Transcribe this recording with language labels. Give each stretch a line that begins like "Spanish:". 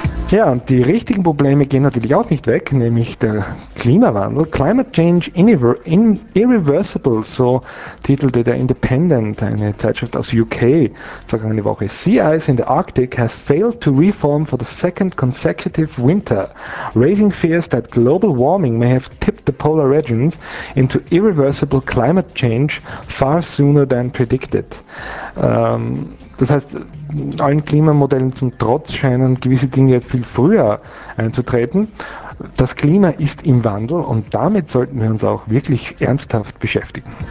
German: Ja, und die richtigen Probleme gehen natürlich auch nicht weg, nämlich der Klimawandel. Climate Change Irreversible, so titelte der Independent, eine Zeitschrift aus UK, vergangene Woche.
English: Sea ice in the Arctic has failed to reform for the second consecutive winter, raising fears that global warming may have tipped the polar regions into irreversible climate change far sooner than predicted.
German: Das heißt, allen Klimamodellen zum Trotz scheinen gewisse Dinge jetzt viel früher einzutreten. Das Klima ist im Wandel und damit sollten wir uns auch wirklich ernsthaft beschäftigen.